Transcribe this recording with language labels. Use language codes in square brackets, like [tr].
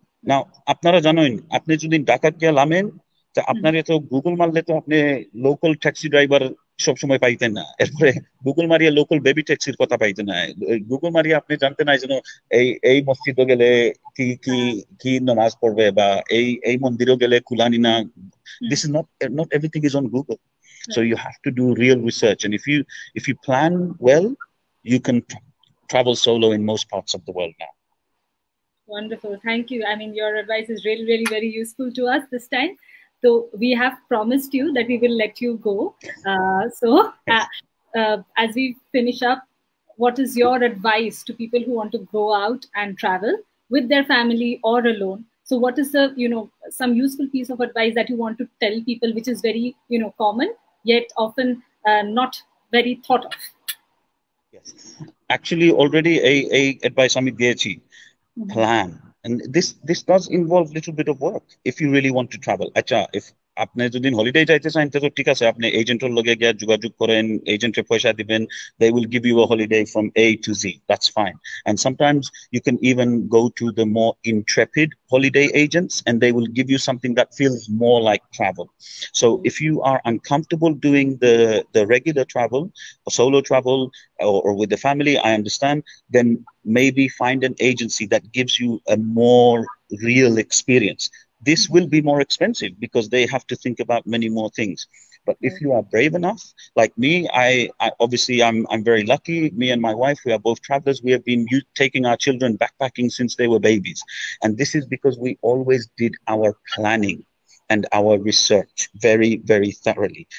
[bn] নাও আপনারা জানেন, আপনি যদি ঢাকা গিয়ে নামেন, আপনার তো গুগল মারলে তো আপনি লোকাল ট্যাক্সি ড্রাইভার সবসময় পাইতেন না, এরপরে গুগল মারিয়ে লোকাল বেবি ট্যাক্সির কথা পাইতেন না, গুগল মারিয়ে আপনি জানতেন না যেন এই এই মসজিদে গেলে কি কি কি নামাজ পড়বে বা এই এই মন্দিরে গেলে কুলানি না। [en] This is not not everything is on Google. So you have to do real research, and if you plan well, you can travel solo in most parts of the world now. Wonderful. Thank you. I mean, your advice is really, really very useful to us this time. তো we have promised you that we will let you go, so as we finish up, what is your advice to people who want to go out and travel with their family or alone? So what is the you know some useful piece of advice that you want to tell people which is very you know common yet often not very thought of? Actually already [bn] এই এই advice আমি দিয়েছি, [en] Plan this this does involve little bit of work if you really want to travel. [bn] আচ্ছা, if আপনি যদি holiday যাইতে চান তো ঠিক আছে, আপনি এজেন্টের লগে গিয়ে যোগাযোগ করেন, এজেন্টের পয়সা দিবেন, [en] They will give you a holiday from A to Z, that's fine. And sometimes you can even go to the more intrepid holiday agents and they will give you something that feels more like travel. So if you are uncomfortable doing the regular travel, solo travel or with the family, I understand, then maybe find an agency that gives you a more real experience. This will be more expensive because they have to think about many more things. But if you are brave enough, like me, I obviously I'm very lucky. Me and my wife, we are both travelers. We have been taking our children backpacking since they were babies. And this is because we always did our planning and our research very, very thoroughly.